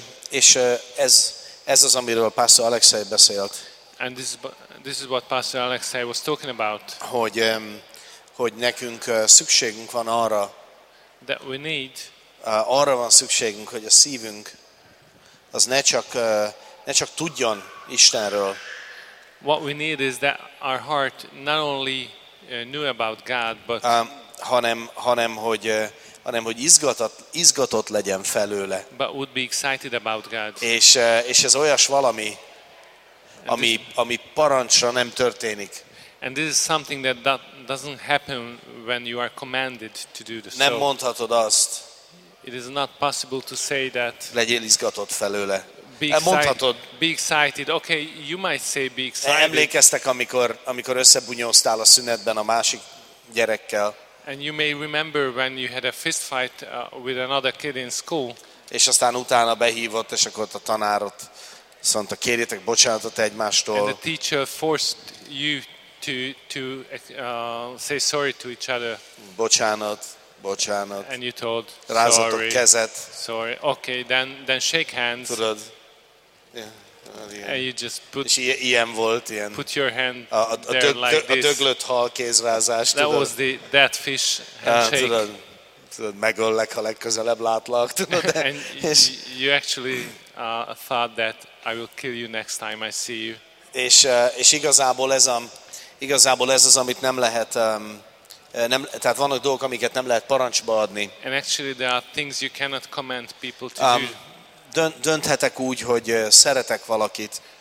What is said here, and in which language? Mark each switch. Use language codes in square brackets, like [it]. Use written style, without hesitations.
[hu] És ez az, amiről Pastor Alexei beszélt. [en] And this is what Pastor Alexei was talking about. [hu] Hogy nekünk szükségünk van arra. [en] That we need. [hu] Arra van szükségünk, hogy a szívünk az ne csak tudjon Istenről. [en] What we need is that our heart not only knew about God, but [hu] hanem hogy izgatott legyen felőle. [en] But would be excited about God. [hu] És ez olyas valami, ami parancsra nem történik. [en] And this is something that doesn't happen when you are commanded to do this. [hu] Nem mondhatod azt. [en] It is not possible to say that. [hu] Legyél izgatott felőle. Mondhatod. [en] Be excited. Okay, you might say be excited. [hu] Emlékeztek, amikor összebunyóztál a szünetben a másik gyerekkel. [en] And you may remember when you had a fist fight with another kid in school. [hu] És aztán utána behívott, és akkor a tanárot szóval kérjétek bocsánatot egymástól. [en] And the teacher forced you to say sorry to each other. [hu] Bocsánat. [en] And you told [hu] rázatok [en] sorry. [hu] Kezet. [en] Sorry. Okay, then shake hands. [hu] Tudod. [en] And you just put. [hu] És ilyen volt, ilyen. [en] Put your hand [hu] a döglött hal kézrázás. [en] That was the dead fish handshake. [hu] Tudod, megöllek, ha legközelebb látlak. [en] And you actually thought that I will kill you next time I see you. [hu] És igazából ez az, amit nem lehet, nem, tehát vannak dolgok, amiket nem lehet parancsba adni. [en] And actually there are things you cannot command people to do. [hu] Dönthetek úgy, hogy szeretek valakit.